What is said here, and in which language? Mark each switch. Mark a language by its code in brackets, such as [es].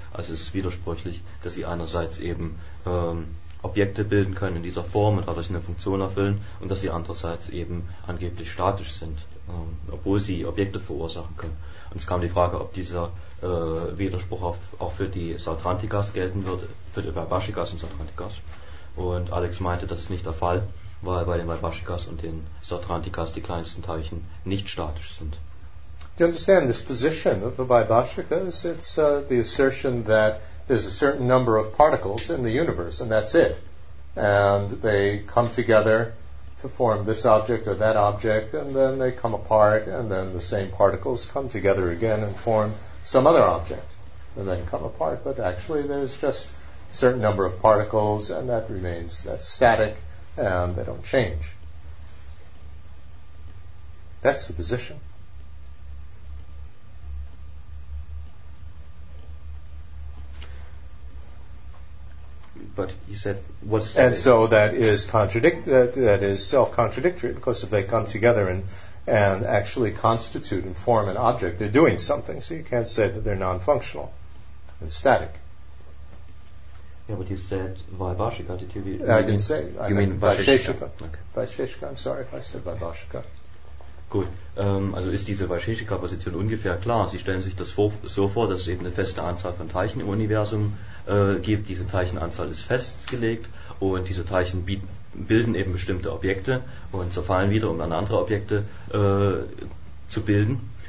[de] Also es ist widersprüchlich, dass sie einerseits eben Objekte bilden können in dieser Form und dadurch eine Funktion erfüllen und dass sie andererseits eben angeblich statisch sind, obwohl sie Objekte verursachen können. Und es kam die Frage, ob dieser Widerspruch auch für die Sautrantikas gelten wird, für die Vaisheshikas und Sautrantikas. Und Alex meinte, das ist nicht der Fall, weil bei den Vaibhashikas und den Sautrantikas die kleinsten Teilchen nicht statisch sind. [en] Do you understand this position of the Vaibhashikas? It's the assertion that there's a certain number of particles in the universe, and that's it. And they come together to form this object or that object, and then they come apart, and then the same particles come together again and form some other object, and then come apart. But actually, there's just a certain number of particles, and that remains, that's static, and they don't change. That's the position. But you said, what's static? And so that is self-contradictory, because if they come together and actually constitute and form an object, they're doing something, so you can't say that they're non-functional and static. Yeah, but you said Vaibhashika, did you? I mean Vaisheshika. Okay. Vaisheshika, I'm sorry if I said Vaibhashika. [de] Gut, also ist diese Vaisheshika-Position ungefähr klar. Sie stellen sich das so vor, dass es eben eine feste Anzahl von Teilchen im Universum gibt. Diese Teilchenanzahl ist festgelegt und diese Teilchen bilden eben bestimmte Objekte und zerfallen wieder, um dann andere Objekte zu bilden.